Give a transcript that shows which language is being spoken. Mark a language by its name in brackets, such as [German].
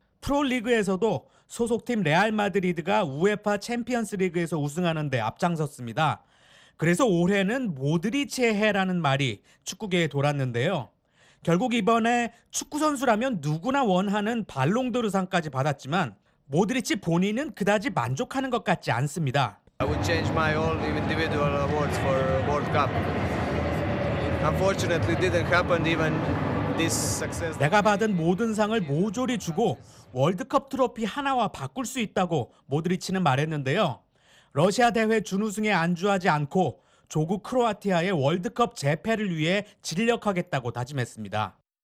[Korean] 프로리그에서도 소속팀 레알 마드리드가 UEFA 챔피언스 리그에서 우승하는 데 앞장섰습니다. 그래서 올해는 모드리치의 해라는 말이 축구계에 돌았는데요. 결국 이번에 축구선수라면 누구나 원하는 발롱도르 상까지 받았지만 모드리치 본인은 그다지 만족하는 것 같지 않습니다. [English] I would change my all individual awards for World Cup. Unfortunately, didn't happen even this success. [Korean] 내가 받은 모든 상을 모조리 주고 월드컵 트로피 하나와 바꿀 수 있다고 모드리치는 말했는데요. 러시아 대회 준우승에 안주하지 않고 조국 크로아티아의 월드컵 재패를 위해 진력하겠다고 다짐했습니다.